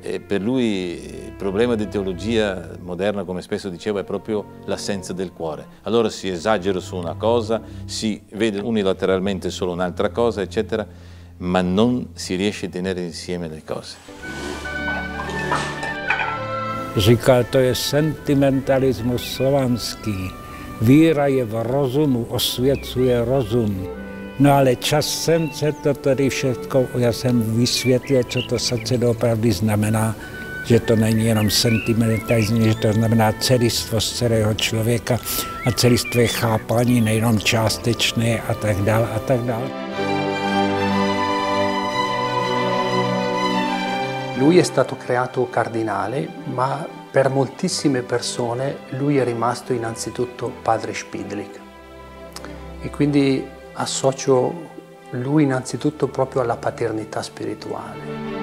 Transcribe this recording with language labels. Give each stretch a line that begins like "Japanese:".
Italian: E per lui il problema di teologia moderna, come spesso dicevo, è proprio l'assenza del cuore. Allora si esagera su una cosa, si vede unilateralmente solo un'altra cosa, eccetera, ma non si riesce a tenere insieme le cose.
Czech: Říkal, to je sentimentalismus slovanský. Víra je v rozumu, osvěcuje rozum. No ale časem se to tady všechno vysvětluje, co to srdce doopravdy znamená, že to není jenom sentimentalismus, že to znamená celistvost celého člověka a celistvé chápání, nejenom částečné a tak dál a tak dál.
Italian: Lui è stato creato cardinale, ma per moltissime persone lui è rimasto innanzitutto padre Spidlik. E quindi associo lui innanzitutto proprio alla paternità spirituale.